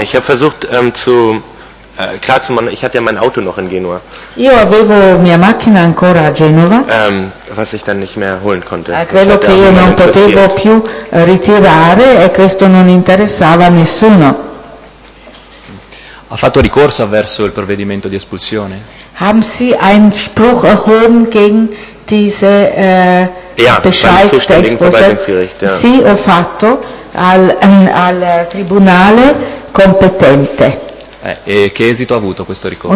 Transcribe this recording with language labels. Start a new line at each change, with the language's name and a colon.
German: Ich habe versucht klar zu machen, ich hatte ja mein Auto noch in Genua.
Italian: Io avevo mia macchina ancora a Genova.
German: Was ich dann nicht mehr holen konnte.
Italian: Quello che io non potevo più ritirare e questo non interessava a nessuno. Ha fatto ricorso verso il provvedimento di espulsione?
German: Haben Sie Einspruch erhoben gegen diese Bescheid des
Italian: Sì, ho fatto al tribunale competente. E che esito ha avuto questo ricorso?